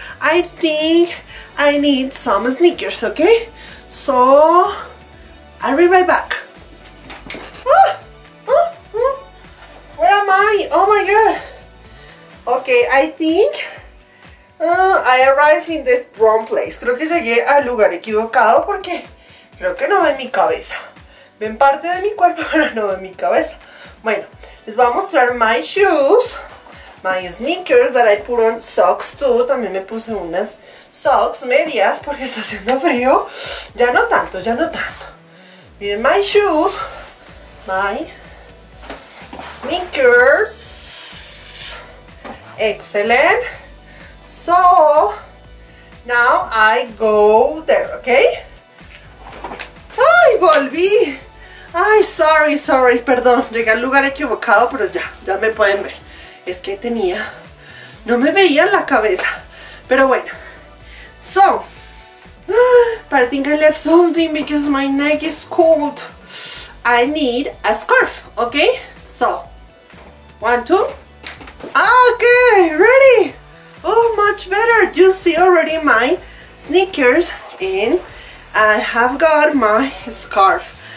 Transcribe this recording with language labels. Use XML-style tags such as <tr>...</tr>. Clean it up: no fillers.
<en>I think I need some sneakers, okay? So, I'll be right back. Where am I? Oh my god. Okay, I think I arrived in the wrong place.</en> <es>Creo que llegué al lugar equivocado porque creo que no ve mi cabeza. Ven parte de mi cuerpo, pero no en mi cabeza. Bueno, les voy a mostrar</es> <en>my shoes, my sneakers that I put on socks too.</en> <es>También me puse unas socks, medias, porque está haciendo frío. Ya no tanto, ya no tanto. Miren</es> <en>my shoes, my sneakers. Excellent. So, now I go there, okay?</en> <es>¡Ay, volví!</es> <en>Ay, sorry, sorry,</en> <es>perdón, llegué al lugar equivocado, pero ya, ya me pueden ver. Es que tenía, no me veía en la cabeza, pero bueno.</es> <en>So, but I think I left something because my neck is cold. I need a scarf, okay? So, one, two. Okay, ready. Oh, much better. You see already my sneakers and I have got my scarf.</en>